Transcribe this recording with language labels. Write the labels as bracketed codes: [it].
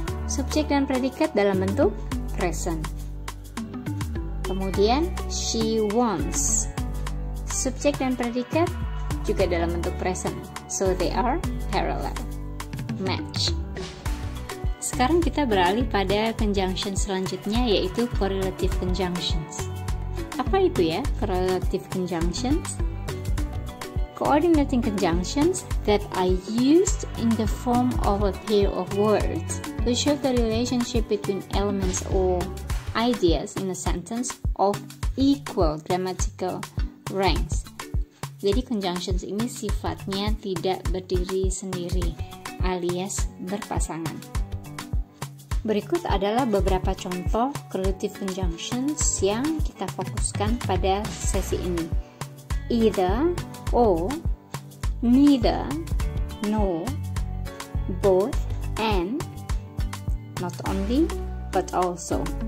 [id] Subjek dan predikat dalam bentuk present. Kemudian [en] she wants. [id] Subjek dan predikat juga dalam bentuk present. [en] So they are parallel. Match. [id] Sekarang kita beralih pada conjunction selanjutnya, yaitu correlative conjunctions. Apa itu ya correlative conjunctions? [en] Coordinating conjunctions that are used in the form of a pair of words to show the relationship between elements or ideas in a sentence of equal grammatical ranks. [id] Jadi conjunctions ini sifatnya tidak berdiri sendiri alias berpasangan. Berikut adalah beberapa contoh correlative conjunctions yang kita fokuskan pada sesi ini. [en] Either, or, neither, nor, both, and, not only, but also.